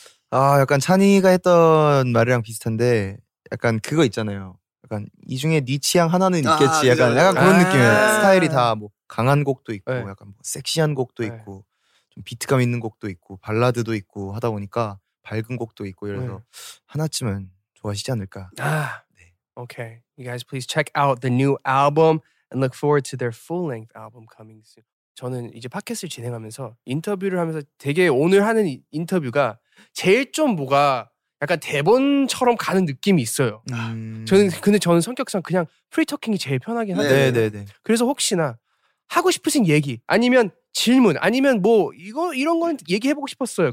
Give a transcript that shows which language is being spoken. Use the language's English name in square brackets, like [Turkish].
[Korean] 아 약간 찬이가 했던 말이랑 비슷한데 약간 그거 있잖아요. 약간 이 중에 네 취향 하나는 있겠지. 아, 약간 약간 그런 느낌이에요. 스타일이 다 뭐 강한 곡도 있고 네. 약간 뭐 섹시한 곡도 네. 있고 좀 비트감 있는 곡도 있고 발라드도 있고 하다 보니까 밝은 곡도 있고 이래서 네. 하나쯤은 좋아하시지 않을까. 아, 네. Okay. [English] You guys please check out the new album and look forward to their full-length album coming soon. [Korean] 저는 이제 팟캐스트를 진행하면서 인터뷰를 하면서 되게 오늘 하는 인터뷰가 제일 좀 뭐가 약간 대본처럼 가는 느낌이 있어요. 저는 근데 저는 성격상 그냥 프리토킹이 제일 편하긴 한데 네네네. 그래서 혹시나 하고 싶으신 얘기 아니면 질문 아니면 뭐 이런 거는 얘기해보고 싶었어요.